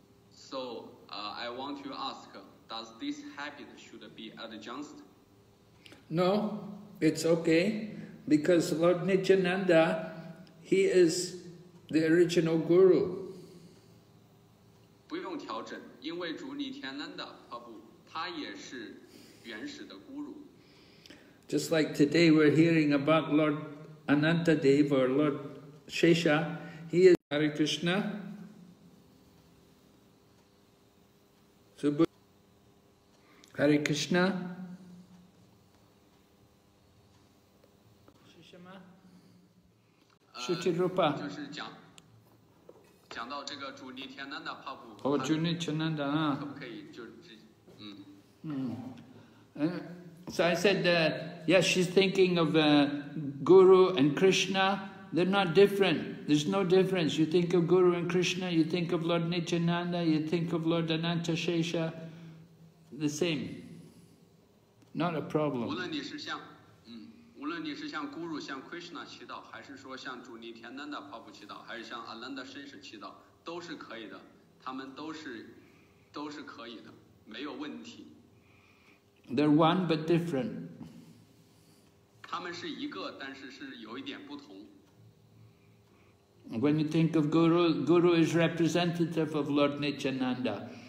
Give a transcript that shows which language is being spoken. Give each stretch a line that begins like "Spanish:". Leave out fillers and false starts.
English: So I want to ask, does this habit should be adjusted? No, it's okay, because Lord Nityananda, he is the original Guru.
Chinese: 不用调整, 因为主尼天南达帕布, 他也是原始的Guru.
English: Just like today we're hearing about Lord Anantadeva or Lord Shesha, he is Hare Krishna. Hare Krishna. Shishama. Shruti Rupa.
Chinese: 就是讲到这个主尼天南达帕布。哦，主尼天南达啊。可不可以就直？嗯。嗯。
English: So I said, yes, she's thinking of Guru and Krishna. They're not different. There's no difference. You think of Guru and Krishna, you think of Lord Nityananda, you think of Lord Ananta Shesha. The same. Not a problem.
Chinese: 无论你是像 Guru, 像 Krishna 祈祷, 还是说像主 Nityananda Prabhu 祈祷, 还是像 Ananda Shesha 祈祷, 都是可以的, 他们都是可以的, 没有问题。
English: They're one but different.
Chinese: 他们是一个, 但是是有一点不同。
English: When you think of Guru, Guru is representative of Lord Nityananda.